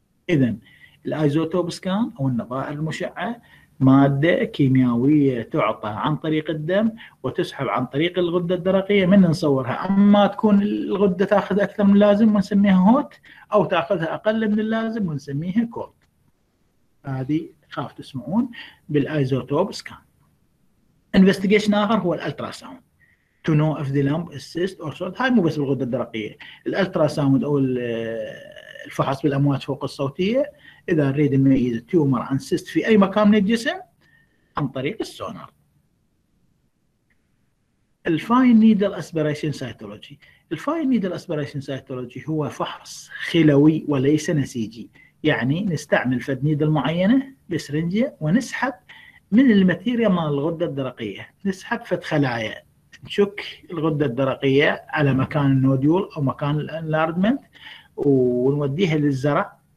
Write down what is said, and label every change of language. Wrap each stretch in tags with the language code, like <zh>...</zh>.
<ar>إذن الايزوتوب سكان او النظائر المشعه ماده كيميائيه تعطى عن طريق الدم وتسحب عن طريق الغده الدرقيه من نصورها، اما تكون الغده تاخذ اكثر من اللازم ونسميها هوت، او تاخذها اقل من اللازم ونسميها كولد. هذه خاف تسمعون بالايزوتوب سكان.</ar> <en>investigation</en> <ar>اخر هو</ar> <en>الالتراساوند to know if the lump is cyst or solid.</en> <ar>هاي مو بس بالغده الدرقيه، الالتراساوند او الفحص بالامواج فوق الصوتيه اذا نريد نميز التيومر عن سيست في اي مكان من الجسم عن طريق السونار.</ar> <en>الفاين needle aspiration cytology,</en> <ar>الفاين نيدل اسبيريشن سايتولوجي هو فحص خلوي وليس نسيجي، يعني نستعمل فد نيدل معينه بسرنجه ونسحب من الماتيريا مال الغده الدرقيه، نسحب فد خلايا نشك الغده الدرقيه على مكان النوديول او مكان الانلارجمنت ونوديها للزرع</ar>